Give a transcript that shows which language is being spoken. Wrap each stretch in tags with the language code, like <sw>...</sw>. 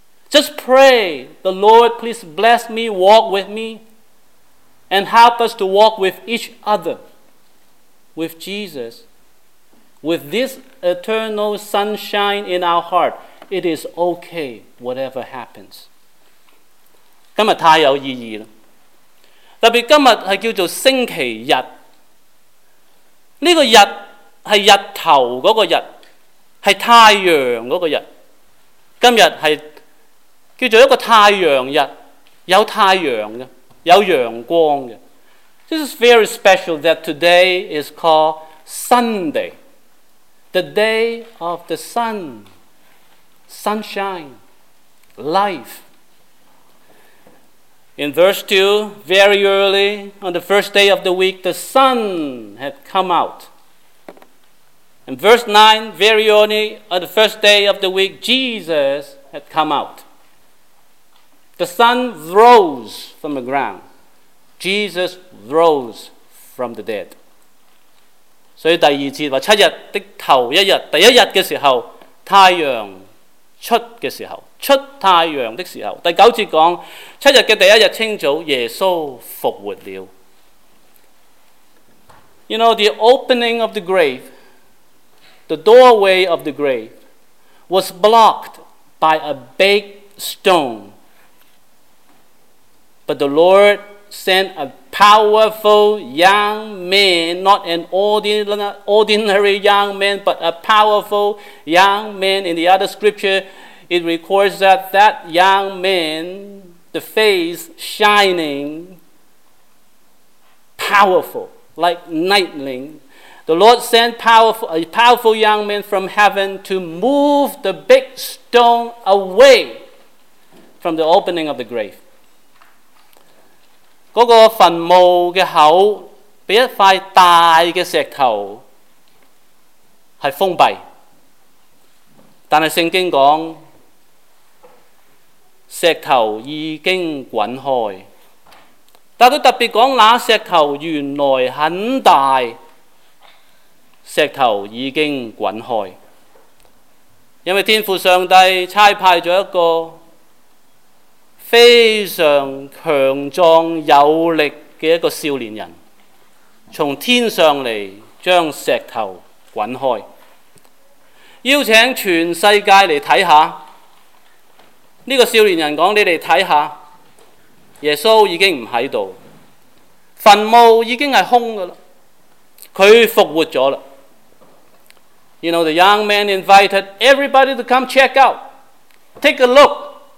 <en>Just pray, the Lord, please bless me, walk with me, and help us to walk with each other, with Jesus, with this eternal sunshine in our heart. It is okay, whatever happens.</en> <zh>今日太有意义了，特别今日是叫做星期日，这个日是日头那个日，是太阳那个日。今日是叫做一个太阳日，有太阳的，有阳光的。</zh> <en>This is very special that today is called Sunday, the day of the sun, sunshine, life. In verse 2, very early on the first day of the week, the sun had come out. In verse 9, very early on the first day of the week, Jesus had come out. The sun rose from the ground. Jesus rose from the dead.</en> <zh>所以第二节说七日的头一日，第一日的时候，太阳出的时候，出太阳的时候。第九节讲七日的第一日清早，耶稣复活了。</zh> <en>You know, the opening of the grave, the doorway of the grave, was blocked by a big stone. But the Lord sent a powerful young man, not an ordinary young man, but a powerful young man. In the other scripture, it records that that young man, the face shining, powerful, like lightning. The Lord sent a powerful young man from heaven to move the big stone away from the opening of the grave.</en> <zh>那个坟墓的口被一块大的石头是封闭，但是圣经讲石头已经滚开，但他特别讲那石头原来很大，石头已经滚开，因为天父上帝差派了一个非常强壮有力的一个少年人从天上来将石头滚开，邀请全世界来看看。这个少年人说，你们看看，耶稣已经不在了，坟墓已经是空的了，他复活了。</zh> <en>You know, the young man invited everybody to come check out, take a look.</en>